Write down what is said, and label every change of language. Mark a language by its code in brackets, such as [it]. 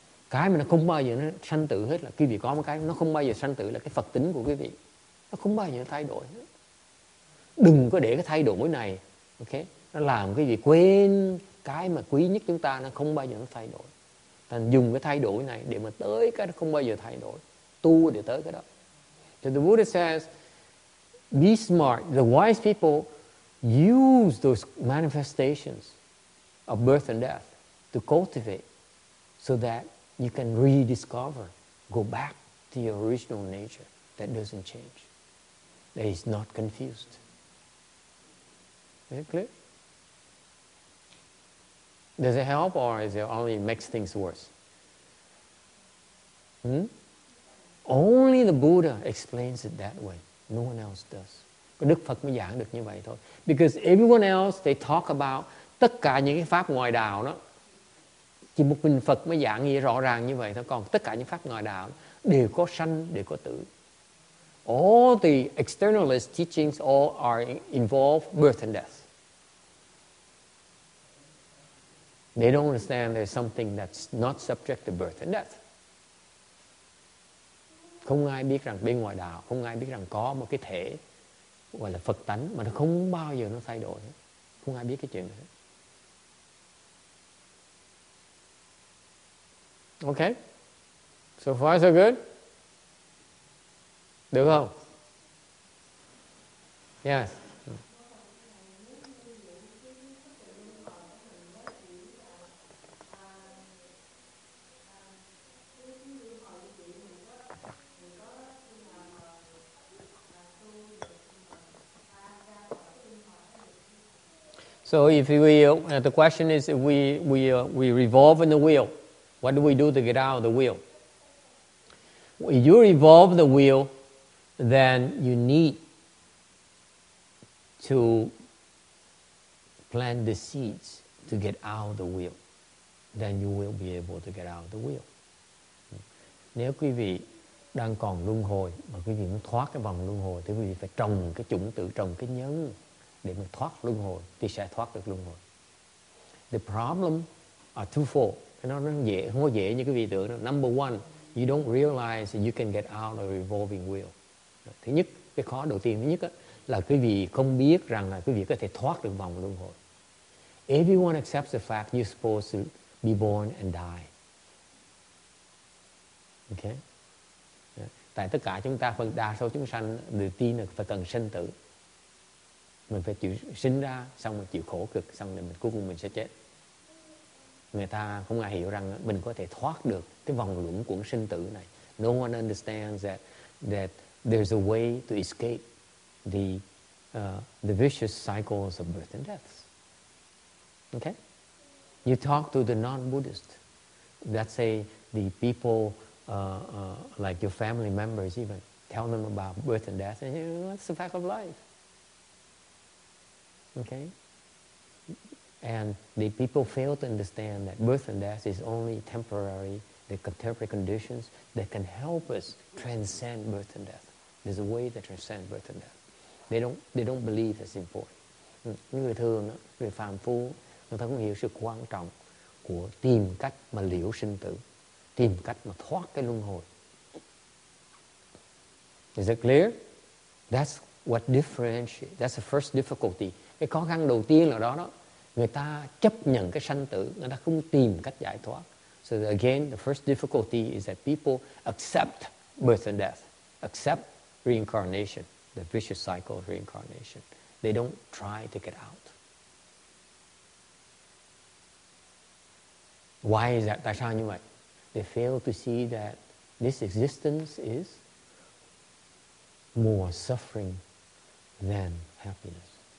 [vi] Cái mà nó không bao giờ nó sanh tử hết là quý vị có một cái nó không bao giờ sanh tử là cái Phật tính của quý vị. Nó không bao giờ thay đổi hết. Đừng có để cái thay đổi này, ok? Nó làm quý vị quên cái mà quý nhất chúng ta, nó không bao giờ nó thay đổi. Thành dùng cái thay đổi này để mà tới cái nó không bao giờ thay đổi. Tu để tới cái đó. [en] So the Buddha says, be smart. The wise people use those manifestations of birth and death to cultivate so that you can rediscover, go back to your original nature that doesn't change, that is not confused. Is it clear? Does it help or is it only makes things worse? Only the Buddha explains it that way. No one else does. [vi] Đức Phật mới giảng được như vậy thôi. [en] Because everyone else, they talk about [vi] tất cả những cái pháp ngoài đạo đó. Chỉ một mình Phật mới giảng như rõ ràng như vậy thôi. Còn tất cả những pháp ngoài đạo đều có sanh, đều có tử. [en] All the externalist teachings all are involved birth and death. They don't understand there's something that's not subject to birth and death. [vi] Không ai biết rằng bên ngoài đạo, không ai biết rằng có một cái thể gọi là Phật tánh mà nó không bao giờ nó thay đổi. Không ai biết cái chuyện đó. [en] Okay. So far so good. [vi] Được không? [en] Yes. So if we the question is if we revolve in the wheel, what do we do to get out of the wheel? If you revolve the wheel, then you need to plant the seeds to get out of the wheel. Then you will be able to get out of the wheel. [vi] Nếu quý vị đang còn luân hồi mà quý vị muốn thoát cái vòng luân hồi thì quý vị phải trồng cái chủng tử, trồng cái nhân để mà thoát luân hồi thì sẽ thoát được luân hồi. [en] The problem are twofold. [vi] Nó rất dễ, không có dễ như cái vị tưởng đó. [en] Number one, you don't realize that you can get out of the revolving wheel. [vi] Thứ nhất, cái khó đầu tiên thứ nhất đó, là quý vị không biết rằng là quý vị có thể thoát được vòng luân hồi. [en] Everyone accepts the fact you're supposed to be born and die. Okay? [vi] Tại tất cả chúng ta, phần đa số chúng sanh đều tin là phải cần sinh tử. Mình phải chịu sinh ra, xong rồi chịu khổ cực, xong rồi mình cuối cùng mình sẽ chết. Người ta không ai hiểu rằng mình có thể thoát được cái vòng luẩn quẩn sinh tử này. [en] No one understands that there's a way to escape the vicious cycles of birth and death. Okay? You talk to the non-Buddhist. Let's say the people like your family members even tell them about birth and death. And, you know, that's the fact of life. Okay? And the people fail to understand that birth and death is only temporary, the contemporary conditions that can help us transcend birth and death. There's a way to transcend birth and death. They don't believe it's important. [vi] Người thường, người phàm phu, người ta không hiểu sự quan trọng của tìm cách mà liễu sinh tử, tìm cách mà thoát cái luân hồi. [en] Is it clear? That's what differentiates. That's the first difficulty. [vi] Cái khó khăn đầu tiên là đó đó. Người ta chấp nhận cái sanh tử, người ta không tìm cách giải thoát. [en] So again, the first difficulty is that people accept birth and death, accept reincarnation, the vicious cycle of reincarnation. They don't try to get out. Why is that? [vi] Tại sao như vậy? [en] They fail to see that this existence is more suffering than happiness.